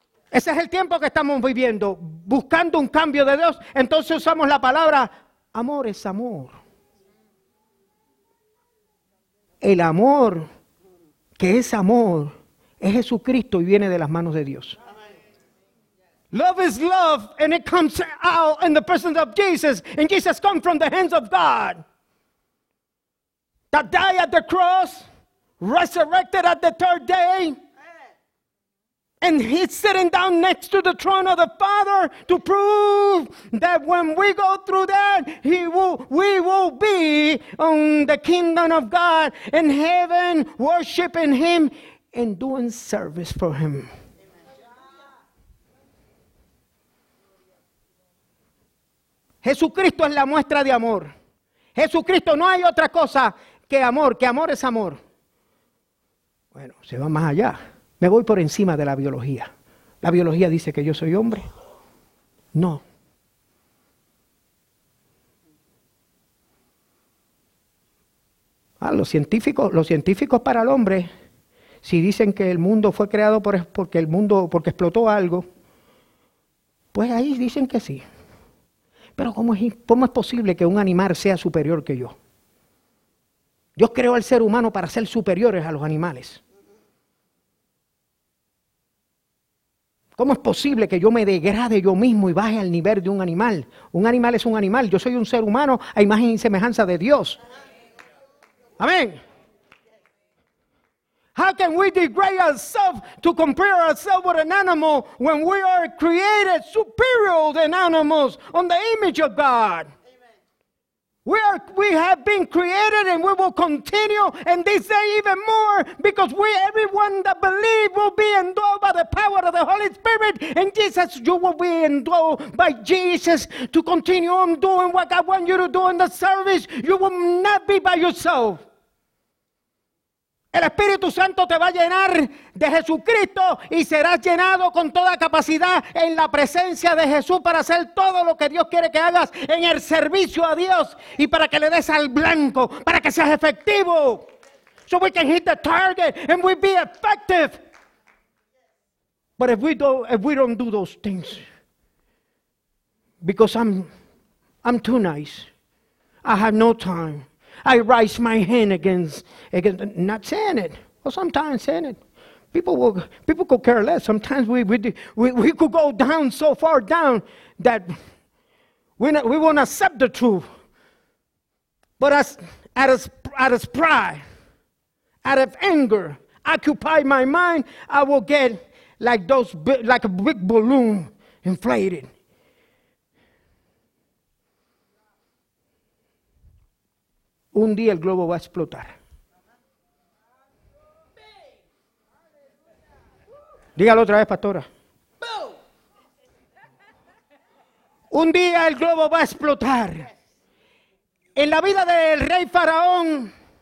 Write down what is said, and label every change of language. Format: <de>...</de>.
<es>Ese es el tiempo que estamos viviendo, buscando un cambio de Dios. Entonces usamos la palabra amor es amor. El amor que es amor es Jesucristo y viene de las manos de Dios.</es> <en>Love is love and it comes out in the person of Jesus. And Jesus comes from the hands of God. That died at the cross, resurrected at the third day. And he's sitting down next to the throne of the Father to prove that when we go through that, we will be on the kingdom of God in heaven, worshiping him and doing service for him.</en> <es>Jesucristo es la muestra de amor. Jesucristo, no hay otra cosa que amor es amor. Bueno, se va más allá. Me voy por encima de la biología. La biología dice que yo soy hombre. No. Los científicos para el hombre, si dicen que el mundo fue creado porque explotó algo, pues ahí dicen que sí. Pero ¿cómo es posible que un animal sea superior que yo? Dios creó al ser humano para ser superiores a los animales. ¿Cómo es posible que yo me degrade yo mismo y baje al nivel de un animal? Un animal es un animal. Yo soy un ser humano a imagen y semejanza de Dios. Amén.</es> <en>How can we degrade ourselves to compare ourselves with an animal when we are created superior than animals on the image of God? We have been created and we will continue and this day even more because everyone that believe will be endowed by the power of the Holy Spirit and Jesus, you will be endowed by Jesus to continue on doing what God wants you to do in the service. You will not be by yourself.</en> <es>El Espíritu Santo te va a llenar de Jesucristo y serás llenado con toda capacidad en la presencia de Jesús para hacer todo lo que Dios quiere que hagas en el servicio a Dios y para que le des al blanco, para que seas efectivo.</es> <en>So we can hit the target and we be effective. But if we don't do those things, because I'm too nice, I have no time. I raise my hand against not saying it, or sometimes saying it. People could care less. Sometimes we could go down so far down that we won't accept the truth. But as pride, out of anger, occupy my mind, I will get like a big balloon inflated.</en> <es>Un día el globo va a explotar. Dígalo otra vez, pastora. Un día el globo va a explotar. En la vida del rey Faraón,</es>